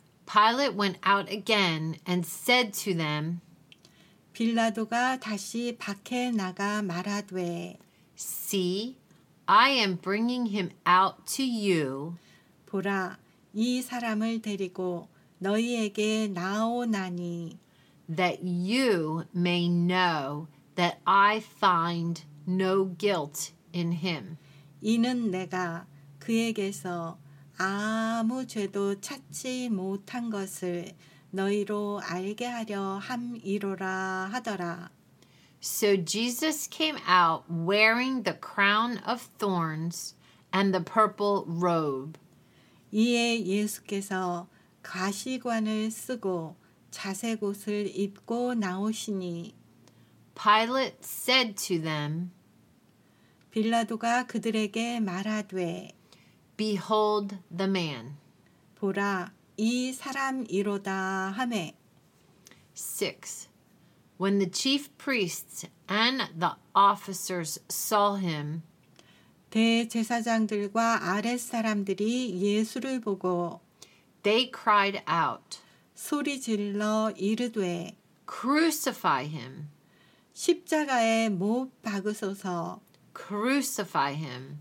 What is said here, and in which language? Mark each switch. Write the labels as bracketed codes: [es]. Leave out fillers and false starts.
[en] Pilate went out again and said to them, [ko] 빌라도가 다시 밖에 나가 말하되, [en] See, I am bringing him out to you. [ko] 보라, 이 사람을 데리고 너희에게 나오나니, [en] that you may know that I find no guilt in him. [ko] 이는 내가 그에게서 아무 죄도 찾지 못한 것을 너희로 알게 하려 함이로라 하더라. [en] So Jesus came out wearing the crown of thorns and the purple robe. [ko] 이에 예수께서 가시관을 쓰고 자색 옷을 입고 나오시니 [en] Pilate said to them, [ko] 빌라도가 그들에게 말하되 [en] Behold the man. [ko] 보라, 이 사람이로다 하매. 6. [en] When the chief priests and the officers saw him, [ko] 대제사장들과 아랫사람들이 예수를 보고, [en] they cried out, [ko] 소리 질러 이르되, [en] Crucify him. [ko] 십자가에 못 박으소서, [en] Crucify him.